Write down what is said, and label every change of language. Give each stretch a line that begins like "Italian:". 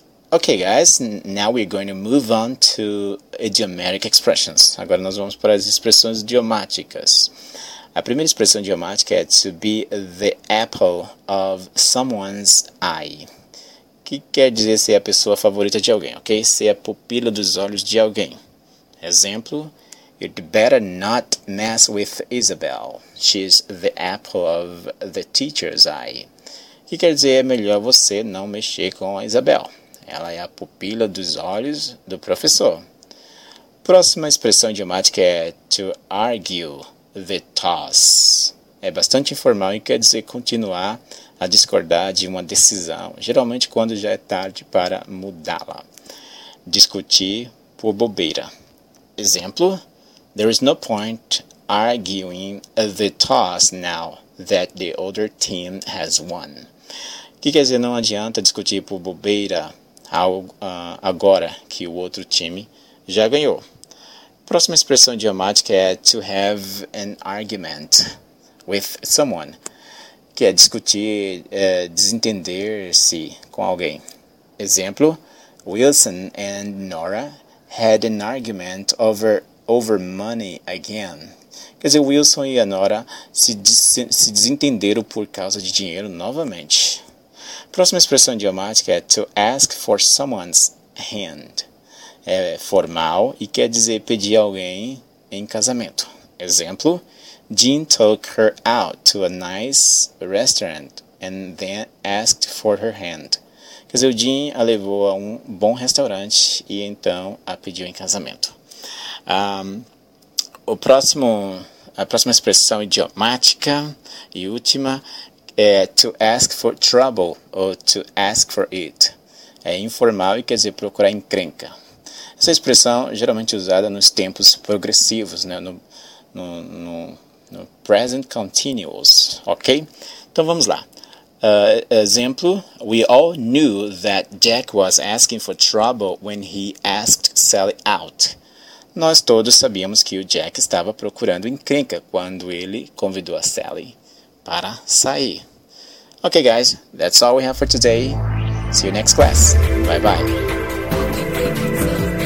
English: Ok, guys, now we're going to move on to idiomatic expressions.
Portuguese: Agora nós vamos para as expressões idiomáticas. A primeira expressão idiomática é
English: to be the apple of someone's eye.
Portuguese: Que quer dizer ser a pessoa favorita de alguém, ok? Ser a pupila dos olhos de alguém. Exemplo,
English: you'd better not mess with Isabel. She's the apple of the teacher's eye.
Portuguese: O que quer dizer é melhor você não mexer com a Isabel. Ela é a pupila dos olhos do professor. Próxima expressão idiomática é
English: to argue the toss.
Portuguese: É bastante informal e quer dizer continuar a discordar de uma decisão, geralmente quando já é tarde para mudá-la. Discutir por bobeira. Exemplo,
English: there is no point arguing the toss now that the other team has won.
Portuguese: Que quer dizer, não adianta discutir por bobeira agora que o outro time já ganhou. Próxima expressão idiomática é
English: to have an argument with someone,
Portuguese: que é discutir, desentender-se com alguém. Exemplo,
English: Wilson and Nora had an argument over money again.
Portuguese: Quer dizer, Wilson e a Nora se desentenderam por causa de dinheiro novamente. Próxima expressão idiomática é
English: to ask for someone's hand.
Portuguese: É formal e quer dizer pedir alguém em casamento. Exemplo,
English: Jean took her out to a nice restaurant and then asked for her hand.
Portuguese: Quer dizer, o Jean a levou a um bom restaurante e então a pediu em casamento. A próxima expressão idiomática e última é
English: to ask for trouble
Portuguese: ou
English: to ask for it.
Portuguese: É informal e quer dizer procurar encrenca. Essa expressão geralmente usada nos tempos progressivos, né? No present continuous, ok? Então vamos lá. Exemplo,
English: we all knew that Jack was asking for trouble when he asked Sally out.
Portuguese: Nós todos sabíamos que o Jack estava procurando encrenca quando ele convidou a Sally para sair.
English: Ok, guys, that's all we have for today. See you next class. Bye-bye.